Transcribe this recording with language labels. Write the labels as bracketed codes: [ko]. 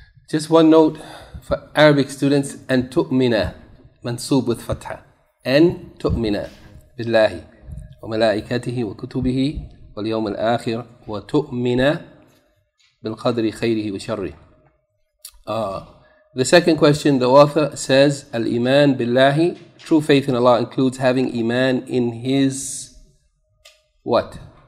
[en] Just one note for Arabic students, and [ar] تؤمن منصوب [en] with فتحة. [ar] أن تؤمن بالله وملائكته وكتبه واليوم الآخر وتؤمن بالقدر خيره وشره. [en] The second question, the author says, [ar] الإيمان بالله, [en] true faith in Allah includes having إيمان in His what?